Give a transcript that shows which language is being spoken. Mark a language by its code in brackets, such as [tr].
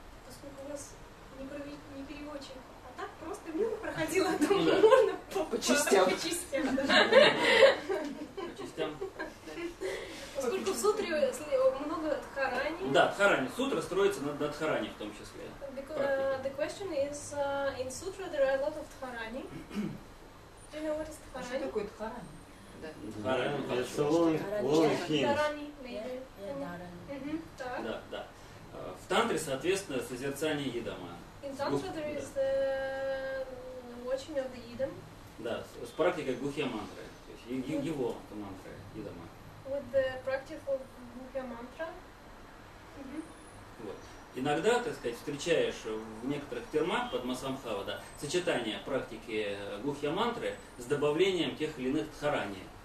[ru] Поскольку у вас не переводчик, а так просто мило проходило, то можно по частям. Поскольку в сутре много дхарани. Да, дхарани. Сутра строится на дхарани в том числе. [en] The question is, in sutra there are a lot of dharani. Do you know what is dharani? [ru] Что такое дхарани? Дхарани. Это [en] long hymns. [ru] Дхарани, [en] maybe. [ru] Да, да. В тантре, соответственно, созерцание идама. [en] In tantra there is the watching of the idam. [ru] Да, с практикой гухья мантры. То есть его мантры, идама. [en] With the practice of Gukhya Mantra. [ru] Вот. Иногда, так сказать, встречаешь в некоторых термах под Масамхава, да, сочетание практики Gukhya Mantra с добавлением тех или иных дхарани.